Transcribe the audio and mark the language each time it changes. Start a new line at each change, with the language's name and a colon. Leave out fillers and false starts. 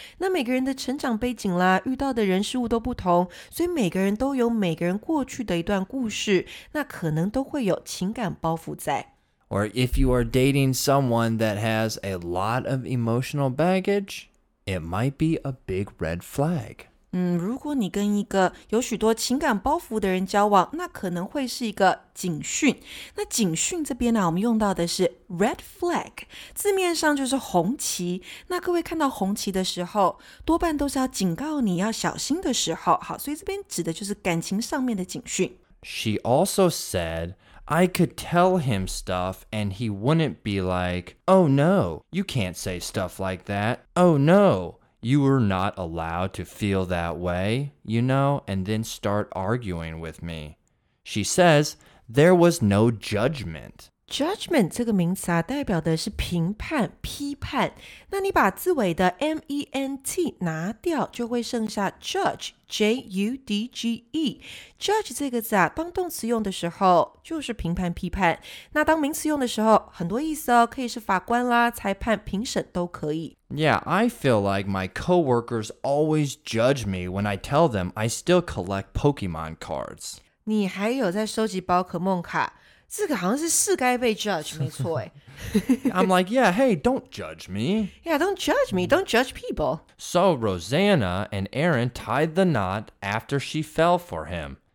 Chinese: 那每个人的成长背景啦，遇到的人事物都不同，所以每个人都有每个人过去的一段故事，那可能都会有情感包袱在。
English: Or if you are dating someone that has a lot of emotional baggage, it might be a big red flag.
Chinese: 如果你跟一个有许多情感包袱的人交往，那可能会是一个警讯。那警讯这边呢，我们用到的是 red flag， 字面上就是红旗。那各位看到红旗的时候，多半都是要警告你要小心的时候。好，所以这边指的就是感情上面的警讯。
English: She also said, I could tell him stuff and he wouldn't be like, oh no, you can't say stuff like that, oh no. You were not allowed to feel that way, you know, and then start arguing with me. She says, there was no judgment.
Chinese: Judgment 这个名词啊，代表的是评判、批判。那你把字尾的 ment 拿掉，就会剩下 judge, J-U-D-G-E. Judge 这个字啊，当动词用的时候，就是评判、批判。那当名词用的时候，很多意思哦，可以是法官啦、裁判、评审都可以。
English: Yeah, I feel like my coworkers always judge me when I tell them I still collect Pokemon cards.
Chinese: 你还有在收集宝可梦卡，这个好像是是该被 judge, 没错耶。
English: I'm like, yeah, hey, don't judge me. Yeah, don't judge me, don't judge people. So Rosanna and Aaron tied the knot after she fell for him.